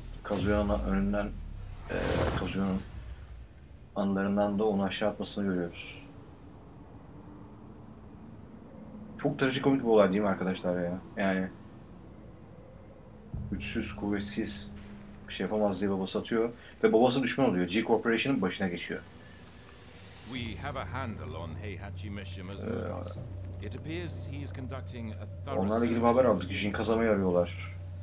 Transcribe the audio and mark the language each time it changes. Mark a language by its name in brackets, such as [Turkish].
[Turkish] Kazuya'nın önünden, Kazuya'nın anılarından da onu aşağı atmasını görüyoruz. Çok trajikomik bir olay değil mi arkadaşlar ya? Yani güçsüz, kuvvetsiz, bir şey yapamaz diye babası atıyor ve babası düşman oluyor. G Corporation'ın başına geçiyor. [English] We have a handle on Heihachi Mishima's movements. It appears he is conducting a thorough. [Turkish] Onlarla ilgili bir haber aldık. Jin kazamayı arıyorlar.